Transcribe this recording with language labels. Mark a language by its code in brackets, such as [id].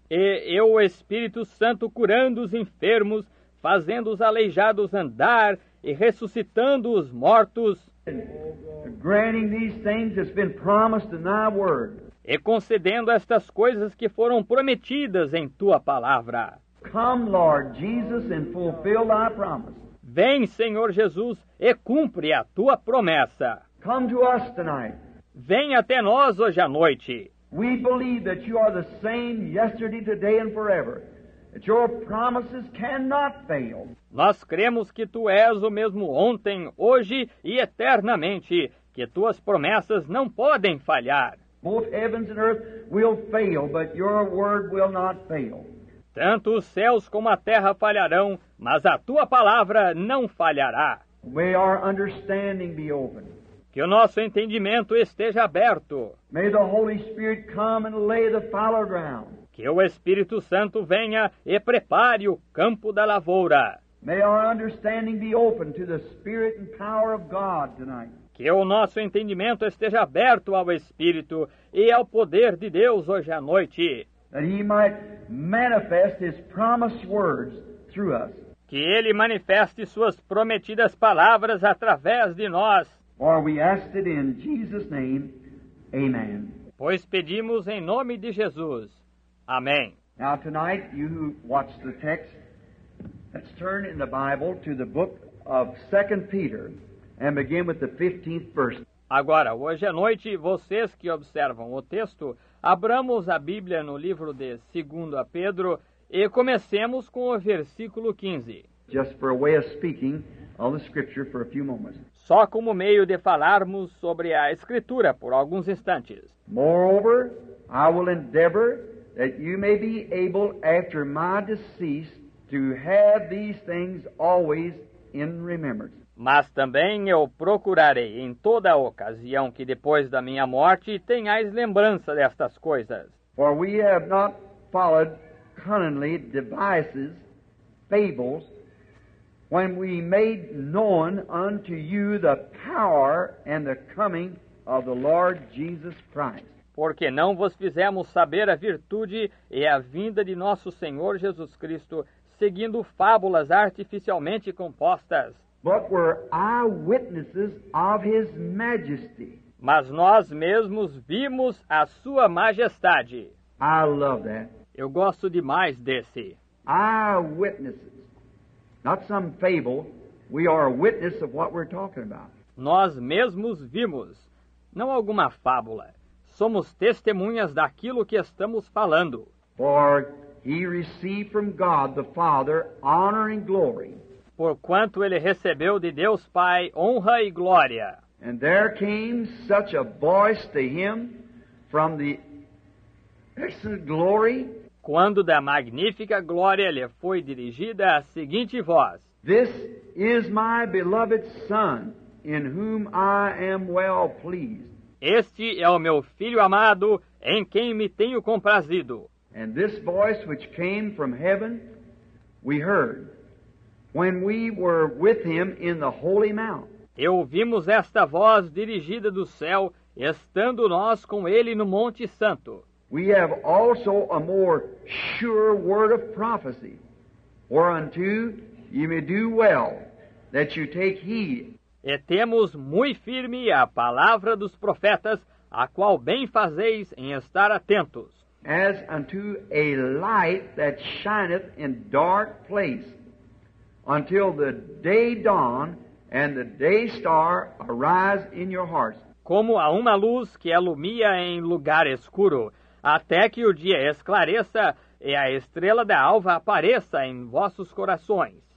[pt] E o Espírito Santo curando os enfermos, fazendo os aleijados andar e ressuscitando os mortos. [en] Granting these things that's been promised in thy word. [pt] E concedendo estas coisas que foram prometidas em tua palavra. [en] Come, Lord Jesus, and fulfill thy promise. [pt] Vem, Senhor Jesus, e cumpre a tua promessa. [en] Come to us tonight. [pt] Vem até nós hoje à noite. [en] We believe that you are the same yesterday, today, and forever. That your promises cannot fail. [pt] Nós cremos que tu és o mesmo ontem, hoje e eternamente, que tuas promessas não podem falhar. [en] Both heavens and earth will fail, but your word will not fail. [pt] Tanto os céus como a terra falharão, mas a tua palavra não falhará. [en] May our understanding be open. [pt] Que o nosso entendimento esteja aberto. [en] May the Holy Spirit come and lay the fallow ground. [pt] Que o Espírito Santo venha e prepare o campo da lavoura. [en] May our understanding be open to the Spirit and power of God tonight. [pt] Que o nosso entendimento esteja aberto ao Espírito e ao poder de Deus hoje à noite. [en] That He might manifest His promised words through us. [pt] Que Ele manifeste Suas prometidas palavras através de nós. [en] For we ask it in Jesus' name. Amen. [pt] Pois pedimos em nome de Jesus. Amém. [en] Now tonight, you who watch the text, Let's turn in the Bible to the book of 2 Peter and begin with the 15th verse. [pt] Agora, hoje à noite, vocês que observam o texto, abramos a Bíblia no livro de 2 Pedro e comecemos com o versículo 15. [en] Just for a way of speaking on the scripture for a few moments. [pt] Só como meio de falarmos sobre a Escritura por alguns instantes. [en] Moreover, I will endeavor that you may be able after my decease to have these things always in remembrance. [pt] Mas também eu procurarei em toda a ocasião que depois da minha morte tenhais lembrança destas coisas. [en] For we have not followed cunningly devices, fables, when we made known unto you the power and the coming of the Lord Jesus Christ. [pt] Porque não vos fizemos saber a virtude e a vinda de nosso Senhor Jesus Cristo, seguindo fábulas artificialmente compostas. [en] But were eyewitnesses of his majesty. [pt] Mas nós mesmos vimos a sua majestade. [en] I love that. [pt] Eu gosto demais desse. [en] Eyewitnesses. Not some fable. We are a witness of what we're talking about. [pt] Nós mesmos vimos. Não alguma fábula. Somos testemunhas daquilo que estamos falando. [en] For he received from God the Father honor and glory. [pt] Porquanto ele recebeu de Deus Pai honra e glória. [en] And there came such a voice to him from the excellent glory. [pt] Quando da magnífica glória lhe foi dirigida a seguinte voz. [en] This is my beloved Son, in whom I am well pleased. [pt] Este é o meu Filho amado, em quem me tenho comprazido. [en] And this voice which came from heaven, we heard. When we were with him in the holy mount. [pt] E ouvimos esta voz dirigida do céu, estando nós com ele no monte santo. [en] We have also a more sure word of prophecy, whereunto you may do well that you take heed. [pt] E temos muito firme a palavra dos profetas, a qual bem fazeis em estar atentos. [en] As unto a light that shineth in dark place. Until the day dawn and the day star arise in your hearts. [pt] Como a uma luz que alumia em lugar escuro, até que o dia esclareça e a estrela da alva apareça em vossos corações.